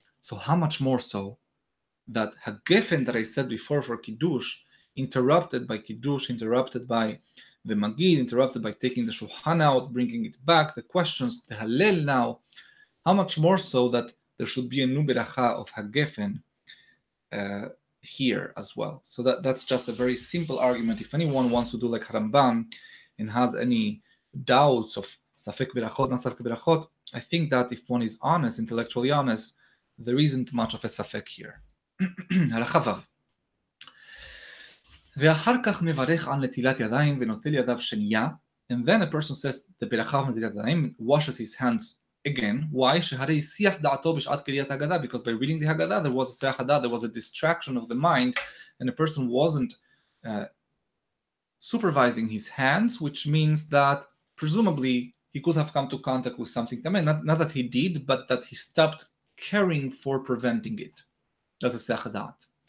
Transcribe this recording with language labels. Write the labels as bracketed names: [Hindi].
[English] So how much more so that HaGefen that I said before for Kiddush, interrupted by Kiddush, interrupted by the Magid, interrupted by taking the Shulchan out, bringing it back, the questions, the Halel now, how much more so that there should be a new Beracha of HaGefen here as well. So that's just a very simple argument. If anyone wants to do like Harambam and has any doubts of Safek Berachot, Nasafek Berachot, I think that if one is honest, intellectually honest, there isn't much of a Safek here. הלחבב. [Hebrew] ואחר כך מברך על נטילת ידיים ונוטל ידיו שנייה. [English] And then a person says the ברכה נטילת ידיים, washes his hands again. Why? [Hebrew] שהרי שיח דעתו בשעת קריאת הגדה. [English] Because by reading the Haggadah, there was a שיח הדעת, there was a distraction of the mind, and a person wasn't supervising his hands, which means that presumably he could have come to contact with something. I mean, not that he did, but that he stopped caring for preventing it. That's a sechadat.